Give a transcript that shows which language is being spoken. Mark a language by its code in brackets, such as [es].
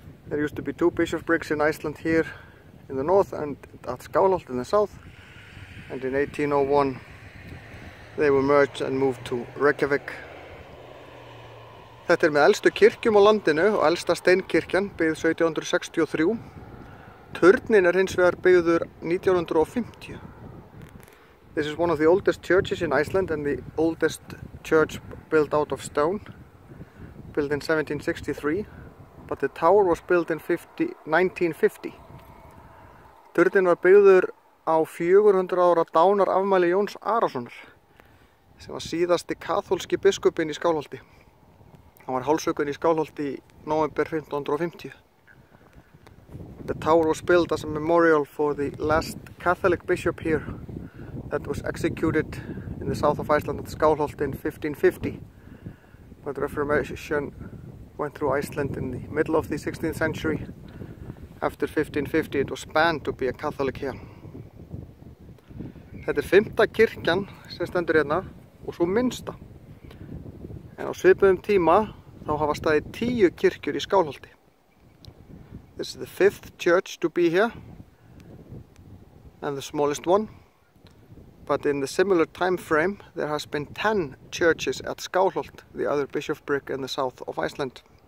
[en] There used to be two bishop bricks in Iceland here in the north and at Skálholt in the south, and in 1801 they were merged and moved to Reykjavík. [is] Þetta er með elstu kirkjum á landinu og elsta steinkirkjan byggð 1763. Turninn er hins vegar byggður 1950. [en] This is one of the oldest churches in Iceland and the oldest church built out of stone, built in 1763, but the tower was built in 1950. [is] Turninn var byggður á 400 ára dánar afmæli Jóns Arasonar, sem var síðasti kaþólski biskupinn í Skálholti. Hann var hálshöggvinn í Skálholti í nóvember 1550. [en] The tower was built as a memorial for the last Catholic bishop here that was executed in the south of Iceland at Skálholt in 1550. But the Reformation went through Iceland in the middle of the 16th century. After 1550 it was banned to be a Catholic here. [is] Þetta er fimmta kirkjan sem stendur hérna og svo minnsta. En á svipuðum tíma þá hafa staðið 10 kirkjur í Skálholti. [en] This is the fifth church to be here and the smallest one. But in the similar time frame there has been 10 churches at Skálholt, the other bishopric in the south of Iceland.